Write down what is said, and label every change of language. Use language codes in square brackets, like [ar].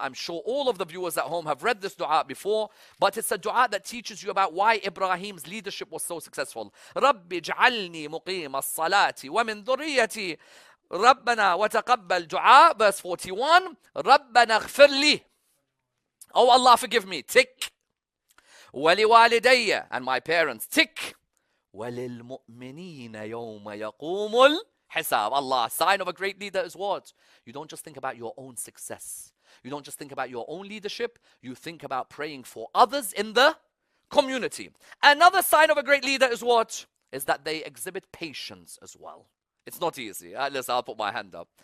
[en] I'm sure all of the viewers at home have read this dua before. But it's a dua that teaches you about why Ibrahim's leadership was so successful. [ar] رَبِّ جَعَلْنِي مُقِيمَ الصَّلَاةِ وَمِنْ ذُرِّيَّتِي رَبَّنَا وَتَقَبَّلْ دُعَاء. [en] Verse 41. [ar] رَبَّنَا اغْفِرْ لِي. [en] Oh Allah, forgive me. Tick. [ar] ولوالديه, [en] and my parents. Tick. [ar] وللمؤمنين يوم يقوم الحساب. [en] Allah, sign of a great leader is what? You don't just think about your own success. You don't just think about your own leadership. You think about praying for others in the community. Another sign of a great leader is what? Is that they exhibit patience as well. It's not easy. Listen, I'll put my hand up.